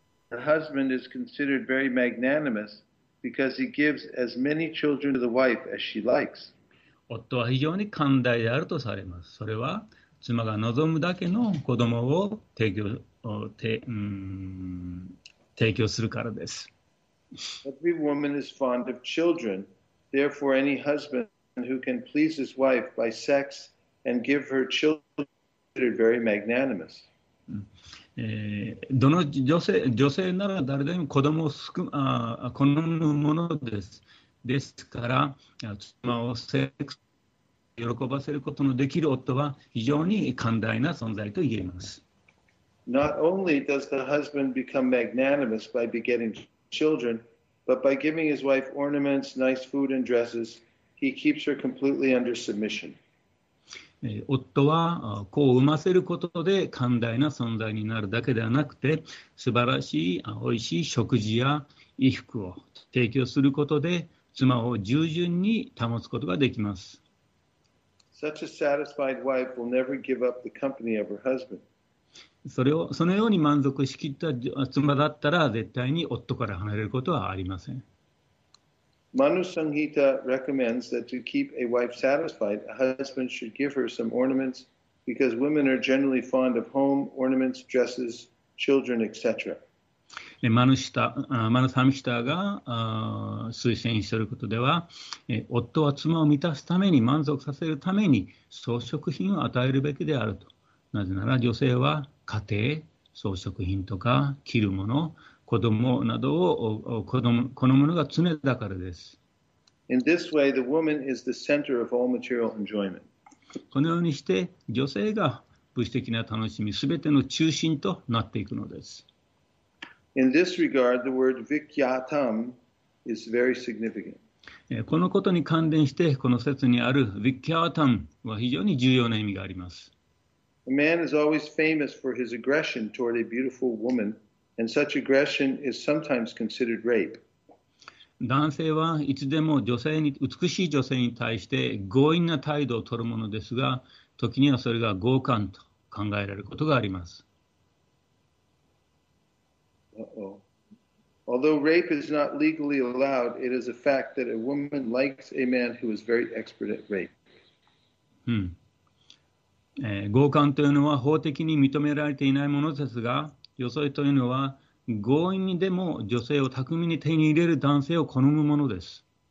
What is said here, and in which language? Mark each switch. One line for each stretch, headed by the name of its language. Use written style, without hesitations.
English: The husband is considered very magnanimous because he gives as many children to the wife as she likes.
Japanese: 夫は非常に寛大であるとされます。それは妻が望むだけの子供を提供するからです。
English: Every woman is fond of children. Therefore, any husband who can please his wife by sex and give her children is considered very magnanimous.
Japanese: どの女性なら誰でも子供を好むものです。ですから、妻をセックスに喜ばせることのできる夫は非常に寛大な存在と言えます。
English: Not only does the husband become magnanimous by begetting children, but by giving his wife ornaments, nice food and dresses, he keeps her completely under submission.
Japanese: 夫は子を産ませることで寛大な存在になるだけではなくて、素晴らしい、おいしい食事や衣服を提供することで、妻を従順に保つことができます。
English: Such a satisfied wife will never give up the company of her husband.
Japanese: そのように満足しきった妻だったら、絶対に夫から離れることはありません。
English: Manu Sanghita recommends that to keep a wife satisfied, a husband should give her some ornaments because women are generally fond of home, ornaments, dresses, children, etc.
Japanese: マヌサミシタが推薦していることでは、夫は妻を満たすために、満足させるために装飾品を与えるべきであると。なぜなら女性は家庭、装飾品とか着るもの、子供などを好むのが常だからです。
English: In this way, the woman is the center of all material enjoyment.
Japanese: このようにして女性が物質的な楽しみ全ての中心となっていくのです。
English: In this regard, the word vikyatam is very significant.
Japanese: このことに関連してこの説にある vikyatam は非常に重要な意味があります。
English: A man is always famous for his aggression toward a beautiful womanAnd such aggression is sometimes considered rape.
Japanese: 男性はいつでも女性に、美しい女性に対して強引な態度を取るものですが、時にはそれが強姦と考えられることがあります。
English: Although rape is not legally allowed, it is a fact that a woman likes a man who is very expert at rape.
Japanese: 強姦というのは法的に認められていないものですが、女性というのは強引にでも女性を巧みに手に入れる男性を好むものです。